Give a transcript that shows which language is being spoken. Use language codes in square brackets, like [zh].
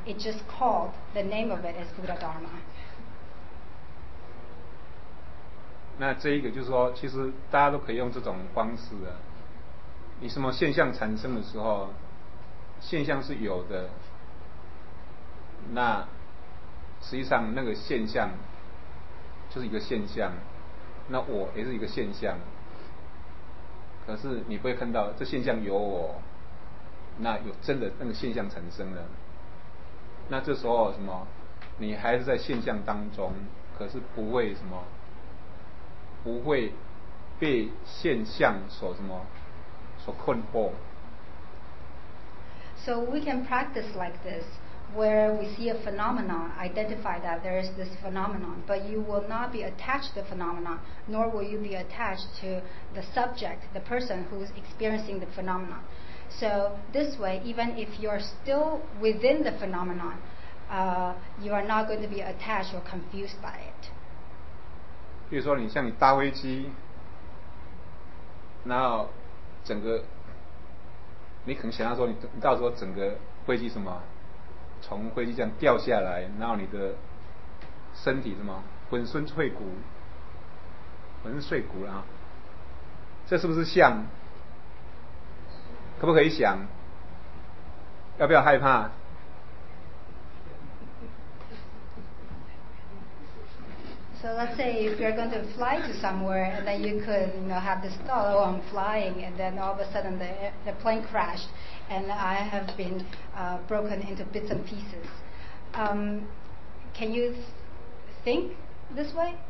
[en] It's just called the name of it is Buddha Dharma. [zh] 那这一个就是说，其实大家都可以用这种方式的、啊。你什么现象产生的时候，现象是有的。那实际上那个现象就是一个现象，那我也是一个现象。可是你不会看到这现象有我，那有真的那个现象产生了，那这时候什么，你还是在现象当中，可是不会什么，不会被现象所什么所困惑。 [en] So we can practice like this where we see a phenomenon, identify that there is this phenomenon, but you will not be attached to the phenomenon, nor will you be attached to the subject, the person who is experiencing the phenomenon. So this way, even if you are still within the phenomenon, you are not going to be attached or confused by it. [zh] 比如说你像你搭飞机，然后整个你可能想要说 你到时候整个飞机什么从飞机这样掉下来，然后你的身体什么粉身碎骨，粉身碎骨了啊，这是不是像，可不可以想，要不要害怕？ [en] So let's say if you're going to fly to somewhere, and then you could, you know, have this thought, oh, I'm flying, and then all of a sudden the plane crashed, and I have been broken into bits and pieces. Can you think this way?